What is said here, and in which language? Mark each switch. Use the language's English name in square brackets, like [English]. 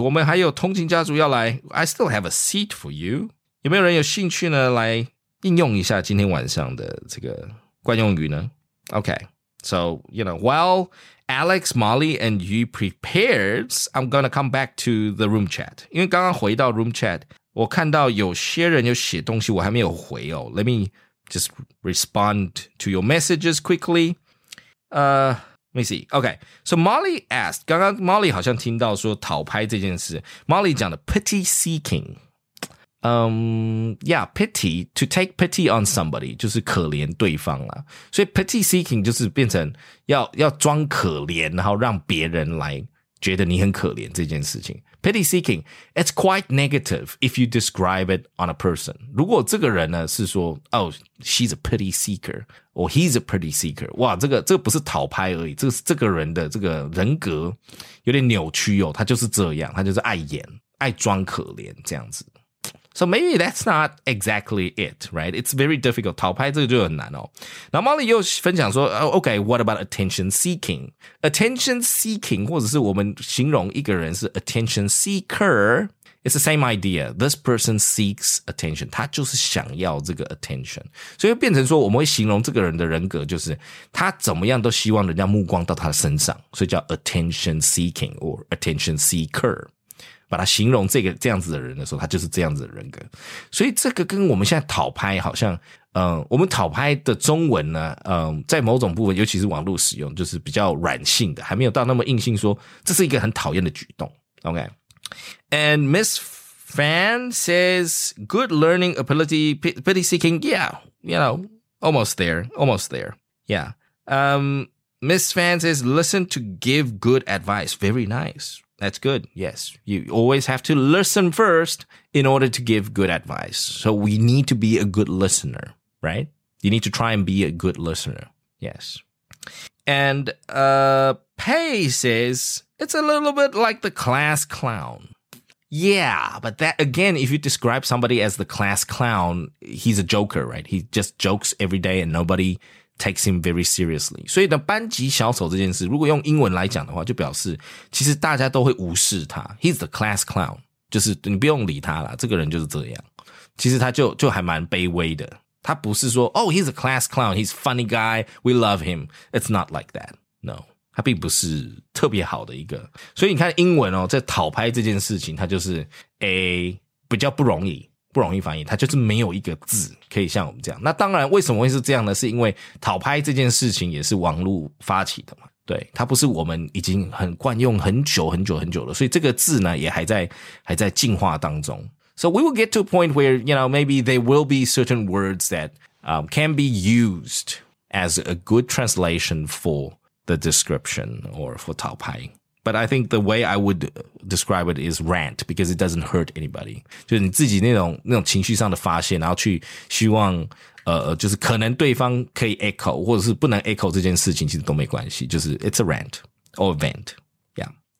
[Chinese] 我们还有通勤家族要来。 [English] I still have a seat for you. [Chinese] 有没有人有兴趣呢？来应用一下今天晚上的这个惯用语呢 ？Okay. [English] So you know, while Alex, Molly, and you prepared, I'm gonna come back to the room chat. [Chinese] 因为刚刚回到 room chat, 我看到有些人有写东西，我还没有回哦。 [English] Let me just respond to your messages quickly. Let me see. Okay, so Molly asked, [Chinese] 刚刚 Molly 好像听到说讨拍这件事。 [English] Molly 讲的 pity seeking. Yeah, pity, to take pity on somebody, [Chinese] 就是可怜对方啦。所以 pity seeking 就是变成要装可怜，然后让别人来觉得你很可怜这件事情。 [English] Pity seeking, it's quite negative if you describe it on a person. [Chinese] 如果这个人呢是说 [English] oh, she's a pity seeker, or he's a pity seeker. [Chinese] 哇，这个不是讨拍而已，这个是这个人的这个人格有点扭曲哦，他就是这样，他就是爱演，爱装可怜这样子。 [English] So maybe that's not exactly it, right? It's very difficult. [Chinese] 讨拍这个就很难哦。然后 Molly 又分享说、 [English] oh, OK, what about attention seeking? Attention seeking [Chinese] 或者是我们形容一个人是 [English] attention seeker, it's the same idea. This person seeks attention. [Chinese] 他就是想要这个 [English] attention. [Chinese] 所以变成说我们会形容这个人的人格就是他怎么样都希望人家目光到他的身上。所以叫 attention seeking [English] or attention seeker. [Chinese] 把它形容这样子的人的时候，他就是这样子的人格。所以这个跟我们现在讨拍好像，我们讨拍的中文呢，在某种部分，尤其是网络使用，就是比较软性的，还没有到那么硬性说，这是一个很讨厌的举动。 [English] OK， and Miss Fan says good learning ability pity seeking. Yeah, you know, almost there, almost there. Yeah. Miss Fan says listen to give good advice. Very nice. That's good. Yes. You always have to listen first in order to give good advice. So we need to be a good listener, right? You need to try and be a good listener. Yes. And Pei says, it's a little bit like the class clown. Yeah, but that, again, if you describe somebody as the class clown, he's a joker, right? He just jokes every day and nobody... takes him very seriously. [Chinese] 所以呢班级小丑这件事如果用英文来讲的话就表示其实大家都会无视他。 [English] He's the class clown. [Chinese] 就是你不用理他啦这个人就是这样。其实他就还蛮卑微的。他不是说 [English] Oh, he's a class clown. He's a funny guy. We love him. It's not like that. No. [Chinese] 他并不是特别好的一个。所以你看英文哦在讨拍这件事情他就是 A, 比较不容易。不容易翻译，它就是没有一个字可以像我们这样。那当然，为什么会是这样呢？是因为讨拍这件事情也是网络发起的嘛？对，它不是我们已经很惯用很久很久很久了，所以这个字呢也还在进化当中。 [English] So we will get to a point where you know maybe there will be certain words that can be used as a good translation for the description or for 讨拍。 But I think the way I would describe it is rant because it doesn't hurt anybody. [Chinese] 就是你自己那种情绪上的发泄，然后去希望就是可能对方可以 echo 或者是不能 echo 这件事情，其实都没关系。就是 [English] it's a rant or a vent. [Chinese] Yeah.